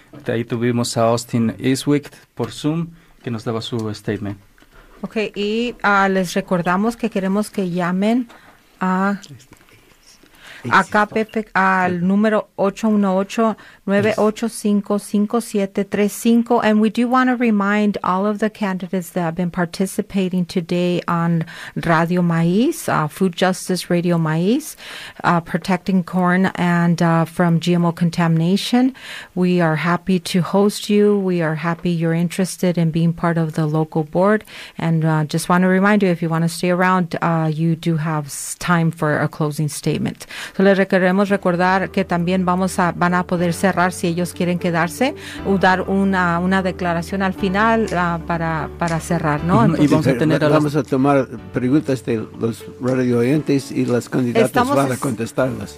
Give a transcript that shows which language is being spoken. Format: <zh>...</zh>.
<es>De ahí tuvimos a Austin Estwick por Zoom, que nos daba su statement. Ok, y les recordamos que queremos que llamen al número 818-985-5735.</es> <en>And we do want to remind all of the candidates that have been participating today on Radio Maíz, Food Justice Radio Maíz, protecting corn and from GMO contamination. We are happy to host you. We are happy you're interested in being part of the local board. And just want to remind you, if you want to stay around, you do have time for a closing statement.</en> <es>So les queremos recordar que también van a poder cerrar si ellos quieren quedarse o dar una declaración al final para cerrar, ¿no? Entonces, y vamos a tomar preguntas de los radio oyentes y las candidatas van a contestarlas.</es>